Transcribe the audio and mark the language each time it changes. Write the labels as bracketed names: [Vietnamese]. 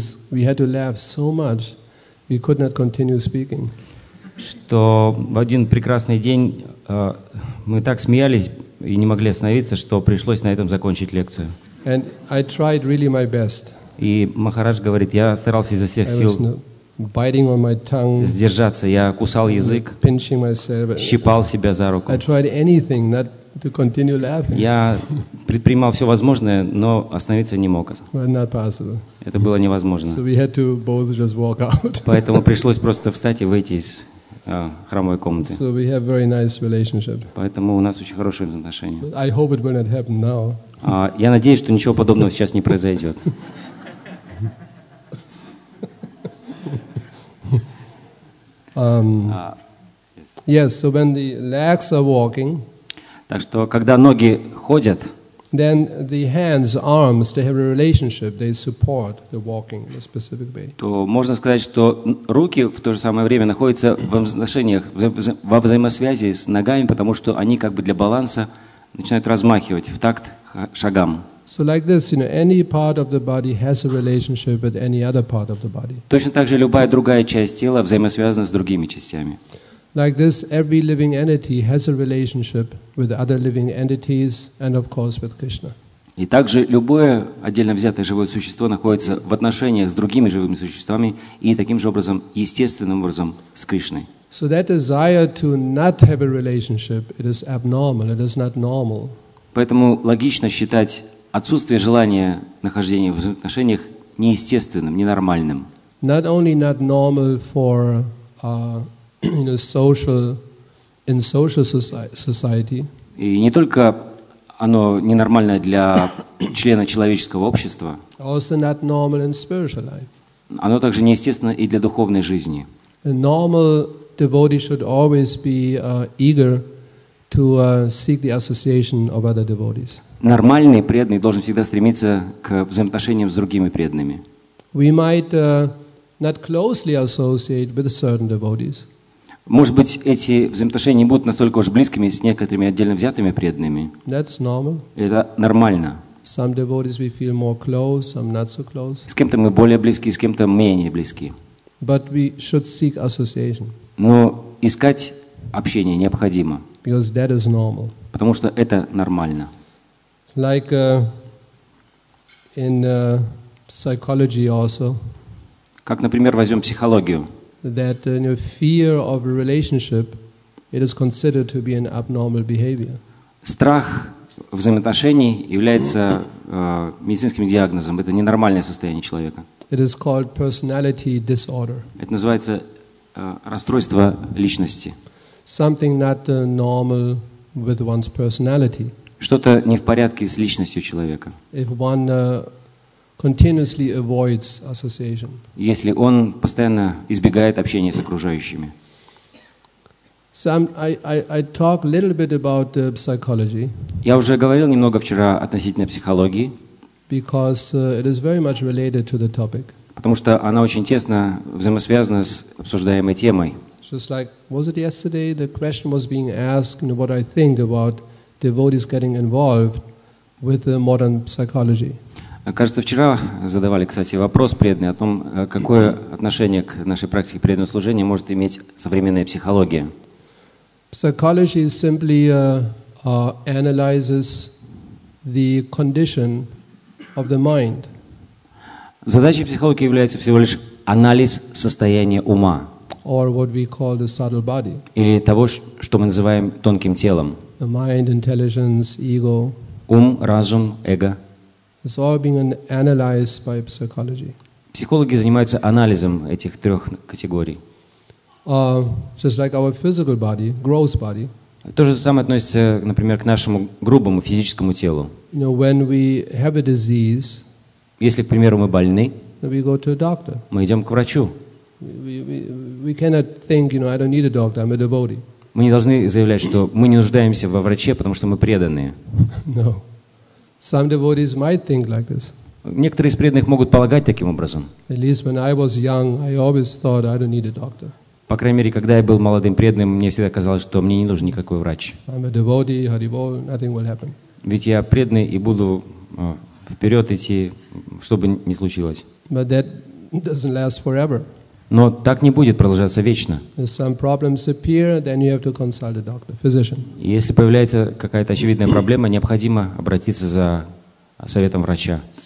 [English] We had to laugh so much, we could not continue speaking. [Russian] Что в один прекрасный день мы так смеялись и не могли остановиться, что пришлось на этом закончить лекцию. [English] And I tried really my best. [Russian] И Махарадж говорит, я старался изо всех сил [English] biting on my tongue, [Russian] сдержаться, я кусал язык, [English] pinching myself, [Russian] щипал себя за руку. [English] I tried anything, not to continue laughing. [Russian] Я предпринимал все возможное, но остановиться не мог. [English] But not possible. [Russian] Это было невозможно. [English] So we had to both just walk out. [Russian] Поэтому пришлось просто встать и выйти из храмовой комнаты. [English] So we have very nice relationship. [Russian] Поэтому у нас очень хорошие отношения. [English] But I hope it will not happen now. [Russian] Я надеюсь, что ничего подобного сейчас не произойдет. [English] Yes, so when the legs are walking, [Russian] так что когда ноги ходят, [English] then the hands, arms, they have a relationship. They support the walking in a specific way. [Russian] То можно сказать, что руки в то же самое время находятся в отношениях, во взаимосвязи с ногами, потому что они как бы для баланса начинают размахивать в такт шагам. [English] So like this, you know, any part of the body has a relationship with any other part of the body. [Russian] Точно так же любая другая часть тела взаимосвязана с другими частями. [English] Like this, every living entity has a relationship with other living entities and, of course, with Krishna. [Russian] И также любое отдельно взятое живое существо находится в отношениях с другими живыми существами и таким же образом естественным образом с Кришной. [English] So that desire to not have a relationship, it is abnormal. It is not normal. [Russian] Поэтому логично считать отсутствие желания нахождения в отношениях неестественным, ненормальным. [English] Not only not normal for in social society. [Russian] И не только оно ненормальное для члена человеческого общества. [English] Also not normal in spiritual life. [Russian] Оно также неестественно и для духовной жизни. [English] A normal devotee should always be eager to seek the association of other devotees. [Russian] Нормальный преданный должен всегда стремиться к взаимоотношениям с другими преданными. [English] We might not closely associate with certain devotees. [Russian] Может быть, эти взаимоотношения не будут настолько уж близкими с некоторыми отдельно взятыми преданными. [English] That's normal. [Russian] Это нормально. [English] Some devotees we feel more close, some not so close. [Russian] С кем-то мы более близки, с кем-то менее близки. [English] But we should seek association. [Russian] Но искать общение необходимо. [English] Because that is normal. [Russian] Потому что это нормально. [English] Like in psychology also. [Russian] Как, например, возьмем психологию. [English] That fear of a relationship, it is considered to be an abnormal behavior. [Russian] Страх взаимоотношений является медицинским диагнозом. Это ненормальное состояние человека. [English] It is called personality disorder. [Russian] Это называется расстройство личности. [English] Something not normal with one's personality. [Russian] Что-то не в порядке с личностью человека. [English] If one continuously avoids association. [Russian] Если он постоянно избегает общения с окружающими. [English] So I talk a little bit about psychology. [Russian] Я уже говорил немного вчера относительно психологии. [English] Because it is very much related to the topic. [Russian] Потому что она очень тесно взаимосвязана с обсуждаемой темой. [English] Just like, was it yesterday? The question was being asked, you know, what I think about devotees getting involved with the modern psychology. [Russian] Кажется, вчера задавали, кстати, вопрос преданный о том, какое отношение к нашей практике преданного служения может иметь современная психология. [English] Psychology simply analyzes the condition of the mind. [Russian] Задача психологии является всего лишь анализ состояния ума. [English] Or what we call the subtle body. [Russian] Или того, что мы называем тонким телом. [English] The mind, intelligence, ego. [Russian] Ум, разум, эго. [English] It's all being analyzed by psychology. [Russian] Психологи занимаются анализом этих трех категорий. [English] Just like our physical body, gross body. [Russian] То же самое относится, например, к нашему грубому физическому телу. [English] You know, when we have a disease. [Russian] Если, к примеру, мы больны. [English] We go to a doctor. [Russian] Мы идем к врачу. [English] We cannot think, you know, I don't need a doctor. I'm a devotee. [Russian] Мы не должны заявлять, что мы не нуждаемся во враче, потому что мы преданные. [English] No. Some devotees might think like this. [Russian] Некоторые из преданных могут полагать таким образом. [English] At least when I was young, I always thought I don't need a doctor. [Russian] По крайней мере, когда я был молодым преданным, мне всегда казалось, что мне не нужен никакой врач. [English] I'm a devotee, Hari Bol, nothing will happen. [Russian] Ведь я преданный и буду вперед идти, что бы ни случилось. [English] But that doesn't last forever. [Russian] Но так не будет продолжаться вечно. [English] Appear, doctor, [Russian] если появляется какая-то очевидная проблема, необходимо обратиться за советом врача.